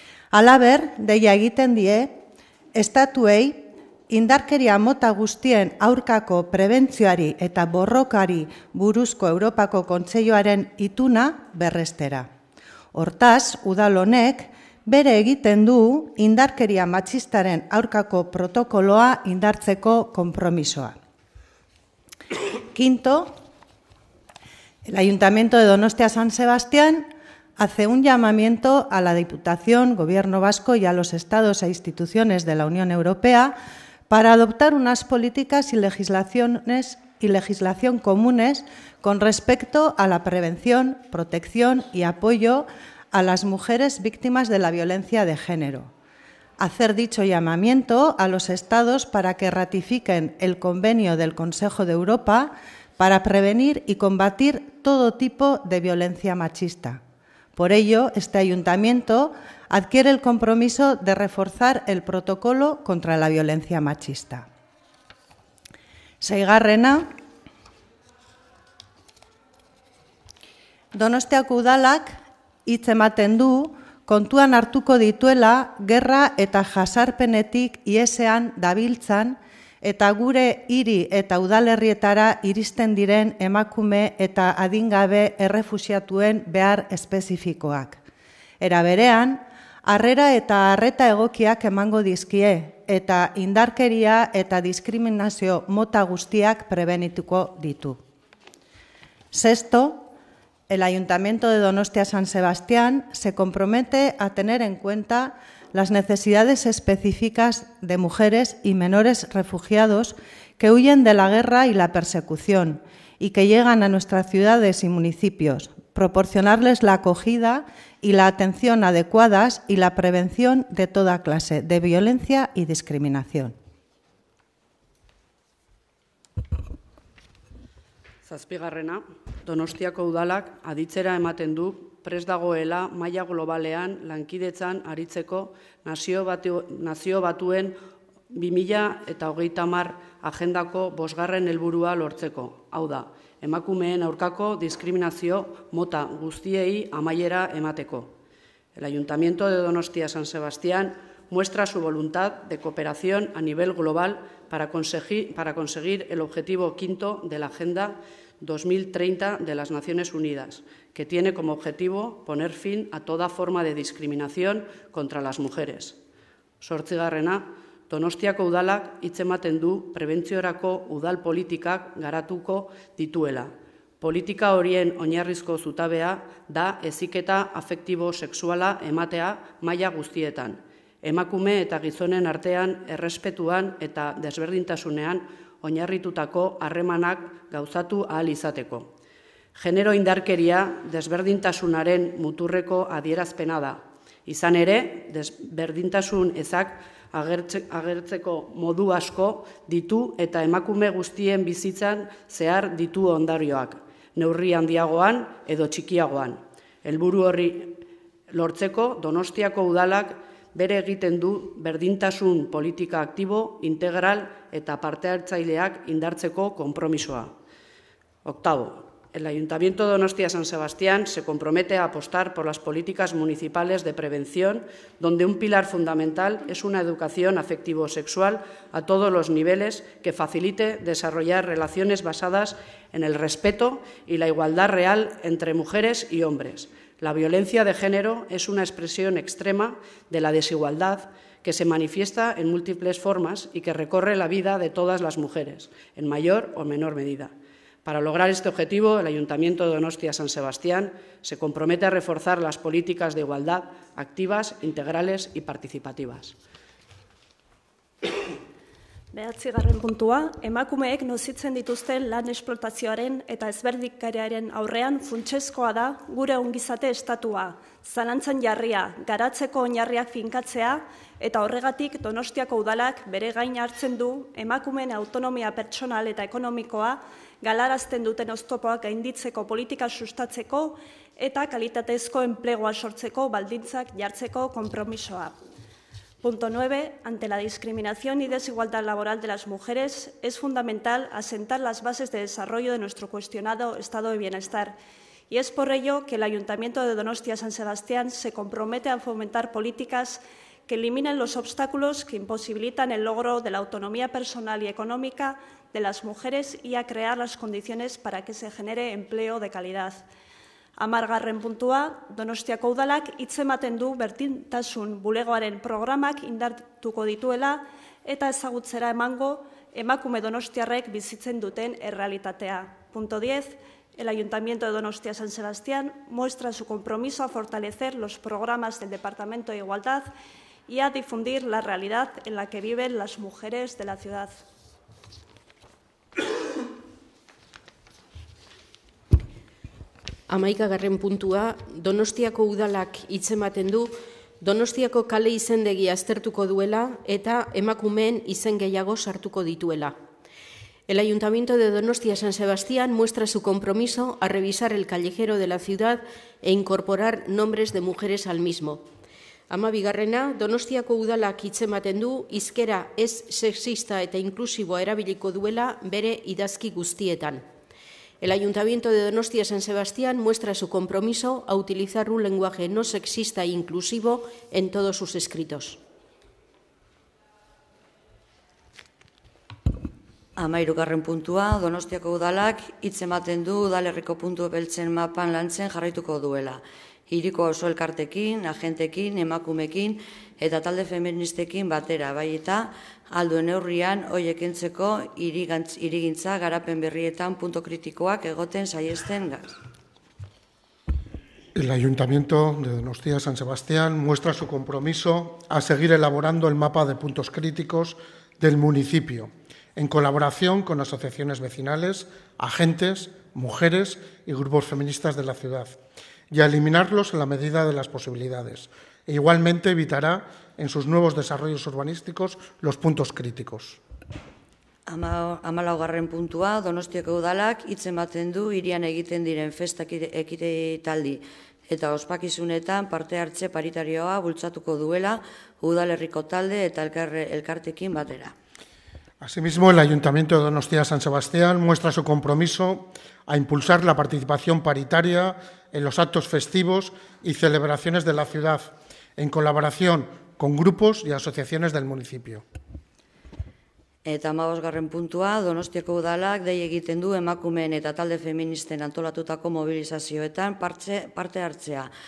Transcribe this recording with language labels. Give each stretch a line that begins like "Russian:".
Basque: Halaber, deia egiten die estatuei indarkeria mota guztien aurkako prebentzioari eta borrokari buruzko Europako Kontseiluaren ituna berrestera. Hortaz, udal honek bere egiten du indarkeria matxistaren aurkako protokoloa indartzeko konpromisoa.
Spanish: Quinto, El Ayuntamiento de Donostia San Sebastián hace un llamamiento a la Diputación, Gobierno Vasco y a los estados e instituciones de la Unión Europea para adoptar unas políticas y legislaciones y legislación comunes con respecto a la prevención, protección y apoyo a las mujeres víctimas de la violencia de género. Hacer dicho llamamiento a los estados para que ratifiquen el convenio del Consejo de Europa para prevenir y combatir todo tipo de violencia machista. Por ello, este ayuntamiento adquiere el compromiso de reforzar el protocolo contra la violencia machista.
Basque: Seigarrena, Donostiako udalak hitz ematen du kontuan hartuko dituela gerra eta jasarpenetik iesean dabiltzan eta gure hiri eta udalerrietara iristen diren emakume eta adingabe errefuxiatuen behar espezifikoak. Era berean, harrera eta harreta egokiak emango dizkie eta indarkeria eta diskriminazio mota guztiak prebenituko ditu.
Spanish: Sexto, el Ayuntamiento de Donostia San Sebastián se compromete a tener en cuenta las necesidades específicas de mujeres y menores refugiados que huyen de la guerra y la persecución y que llegan a nuestras ciudades y municipios, proporcionarles la acogida y la atención adecuadas y la prevención de toda clase de violencia y discriminación.
Basque: Zazpigarrena, Donostiako udalak aditzera ematen du prest dagoela maila globalean lankidetzan aritzeko nazio batuen 2030 agendako 5. helburua lortzeko. Hau da, emakumeen aurkako diskriminazio mota guztiei amaiera emateko.
Spanish: El Ayuntamiento de Donostia San Sebastián muestra su voluntad de cooperación a nivel global para conseguir el objetivo 5 de la Agenda 2030 de las Naciones Unidas, que tiene como objetivo poner fin a toda forma de discriminación contra las mujeres.
Basque: Zortzigarrena, Donostiako udalak hitz ematen du prebentziorako udal politikak garatuko dituela. Politika horien oinarrizko zutabea da heziketa afektibo sexuala ematea maila guztietan, emakume eta gizonen artean errespetuan eta desberdintasunean oinarritutako harremanak gauzatu ahal izateko. Genero indarkeria desberdintasunaren muturreko adierazpena da. Izan ere, desberdintasun ezak agertzeko modu asko ditu eta emakume guztien bizitzan zehar ditu ondarioak, neurri handiagoan edo txikiagoan. Helburu horri lortzeko, Donostiako udalak bere egiten du berdintasun politika aktibo, integral eta parte hartzaileak indartzeko konpromisoa.
Spanish: Octavo, el Ayuntamiento de Donostia San Sebastián se compromete a apostar por las políticas municipales de prevención, donde un pilar fundamental es una educación afectivo-sexual a todos los niveles que facilite desarrollar relaciones basadas en el respeto y la igualdad real entre mujeres y hombres. La violencia de género es una expresión extrema de la desigualdad que se manifiesta en múltiples formas y que recorre la vida de todas las mujeres, en mayor o menor medida. Para lograr este objetivo, el Ayuntamiento de Donostia San Sebastián se compromete a reforzar las políticas de igualdad activas, integrales y participativas.
Basque: Behatzigarren puntua, emakumeek nozitzen dituzten lan esplotazioaren eta ezberdikariaren aurrean funtsezkoa da gure ongizate estatua, zalantzan jarria, garatzeko oinarriak finkatzea eta horregatik Donostiako udalak bere gain hartzen du emakumeen autonomia pertsonal eta ekonomikoa galarazten duten oztopoak gainditzeko politika sustatzeko eta kalitatezko enplegua sortzeko baldintzak jartzeko konpromisoa.
Spanish: Punto 9. Ante la discriminación y desigualdad laboral de las mujeres, es fundamental asentar las bases de desarrollo de nuestro cuestionado estado de bienestar. Y es por ello que el Ayuntamiento de Donostia San Sebastián se compromete a fomentar políticas que eliminen los obstáculos que imposibilitan el logro de la autonomía personal y económica de las mujeres y a crear las condiciones para que se genere empleo de calidad.
Basque: Amargarren puntua, Donostiako udalak hitz ematen du berdintasun bulegoaren programak indartuko dituela eta ezagutzera emango emakume donostiarrek bizitzen duten errealitatea.
Spanish: Punto 10. El Ayuntamiento de Donostia San Sebastián muestra su compromiso a fortalecer los programas del Departamento de Igualdad y a difundir la realidad en la que viven las mujeres de la ciudad.
Basque: Amaikagarren puntua, Donostiako udalak hitzematen du, Donostiako kale izendegia aztertuko duela eta emakumeen izen gehiago sartuko dituela.
Spanish: El Ayuntamiento de Donostia San Sebastián muestra su compromiso a revisar el callejero de la ciudad e incorporar nombres de mujeres al mismo.
Basque: Amabigarrena, Donostiako udalak hitzematen du, hizkera ez sexista eta inklusiboa erabiliko duela bere idazki guztietan.
Spanish: El Ayuntamiento de Donostia San Sebastián muestra su compromiso a utilizar un lenguaje no sexista e inclusivo en todos sus escritos.
Basque: Amairugarren puntua, Donostiako udalak hitzematen du udalerriko puntu beltzen mapan lantzen jarraituko duela. Hiriko oso elkartekin, agentekin, emakumekin eta talde feministekin batera, bai eta alduen neurrian hoiekentzeko hirigintza garapen berrietan punto kritikoak egoten saiesten gaz.
Spanish: El Ayuntamiento de Donostia San Sebastián muestra su compromiso a seguir elaborando el mapa de puntos críticos del municipio en colaboración con asociaciones vecinales, agentes, mujeres y grupos feministas de la ciudad, y a eliminarlos en la medida de las posibilidades. E igualmente evitará en sus nuevos desarrollos urbanísticos los puntos críticos.
Basque: Amalaugarren puntua, Donostiako udalak hitzematen du hirian egiten diren festak ekitaldi eta ospakizunetan parte hartze paritarioa bultzatuko duela udalerriko talde eta elkartekin batera.
Spanish: Asimismo, el Ayuntamiento de Donostia San Sebastián muestra su compromiso a impulsar la participación paritaria en los actos festivos y celebraciones de la ciudad, en colaboración con grupos y asociaciones del municipio.
Basque: Eta 15. Puntua, Donostiako udalak dei egiten du emakumeen eta talde feministen antolatutako mobilizazioetan parte hartzea.